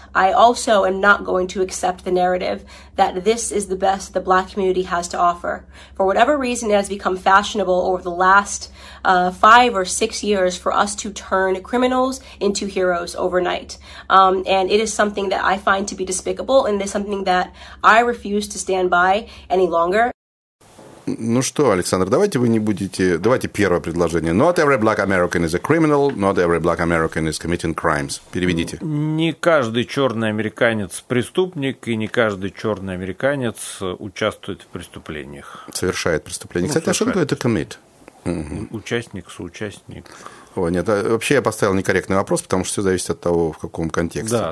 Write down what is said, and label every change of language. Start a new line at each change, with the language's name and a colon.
English: I also am not going to accept the narrative that this is the best the black community has to offer. For whatever reason, it has become fashionable over the last 5 or 6 years for us to turn criminals into heroes overnight. And it is something that I find to be despicable, and it's something that I refuse to stand by any longer.
Russian: Ну что, Александр, давайте вы не будете... Давайте первое предложение.
English: Not every black American is a criminal, not every black American is committing crimes.
Russian: Переведите. Не каждый черный американец преступник, и не каждый черный американец участвует в преступлениях. Совершает преступления. Ну, кстати, совершает. А что такое это commit? Угу. Участник, соучастник. О, нет, вообще я поставил некорректный вопрос, потому что все зависит от того, в каком контексте.